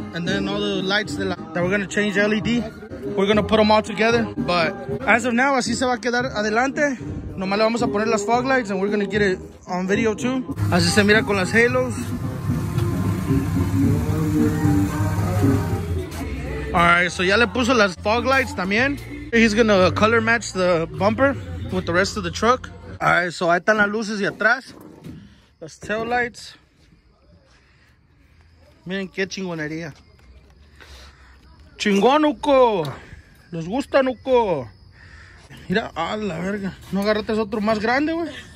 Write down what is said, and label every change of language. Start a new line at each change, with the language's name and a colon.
English: And then all the lights that we're gonna change LED. We're gonna put them all together. But as of now,
Spanish: así se va a quedar adelante. Nomás le vamos a poner las
English: fog lights and we're gonna get it on video too.
Spanish: Así se mira con las halos.
English: Alright, so
Spanish: ya le puso las fog lights también.
English: He's gonna color match the bumper with the rest of the truck. Alright, so
Spanish: ahí están las luces de atrás. Las tail lights. Miren qué chingonería. Chingón, Uco. Les gusta, Uco. Mira, a la verga. No agarrates otro más grande, güey.